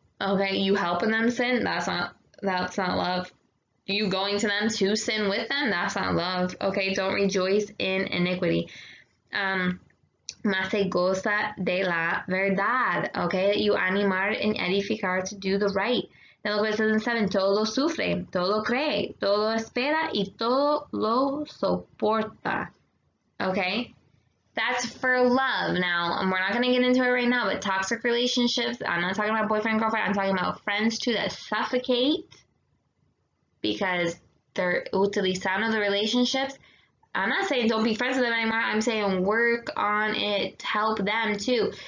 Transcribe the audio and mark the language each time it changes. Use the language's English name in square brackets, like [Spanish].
[English] Okay, you helping them sin, that's not love. You going to them to sin with them, that's not love. Okay, don't rejoice in iniquity. [Spanish] Mas se goza de la verdad. [English] Okay, you animar and edificar to do the right. Then look what it says in 7. [Spanish] Todo sufre, todo cree, todo espera y todo lo soporta. [English] Okay? That's for love. Now, we're not gonna get into it right now, but toxic relationships, I'm not talking about boyfriend, girlfriend, I'm talking about friends too that suffocate because they're utilizando the relationships. I'm not saying don't be friends with them anymore. I'm saying work on it, help them too.